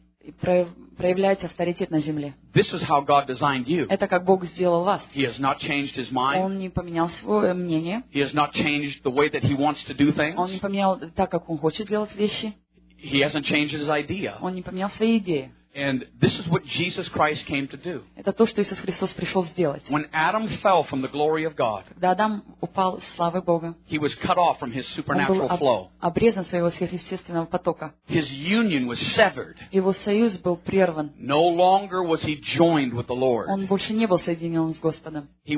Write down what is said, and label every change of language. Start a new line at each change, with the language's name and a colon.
Russian: И проявлять авторитет на земле.
English: This is how God designed you.
Russian: Это как Бог сделал вас.
English: He has not changed his mind.
Russian: Он не поменял свое мнение.
English: He has not changed the way that he wants to do things.
Russian: Он не поменял так, как он хочет делать вещи.
English: He hasn't changed his idea.
Russian: Он не поменял свои идеи.
English: And this is what Jesus Christ came to do.
Russian: Это то, что Иисус Христос пришел сделать.
English: When Adam fell from the glory of God,
Russian: когда Адам упал с славы Бога,
English: he was cut off from his supernatural flow.
Russian: Он был обрезан своего сверхъестественного потока.
English: His union was severed.
Russian: Его союз был прерван.
English: No longer was he joined with the Lord.
Russian: Он больше не был соединен с Господом.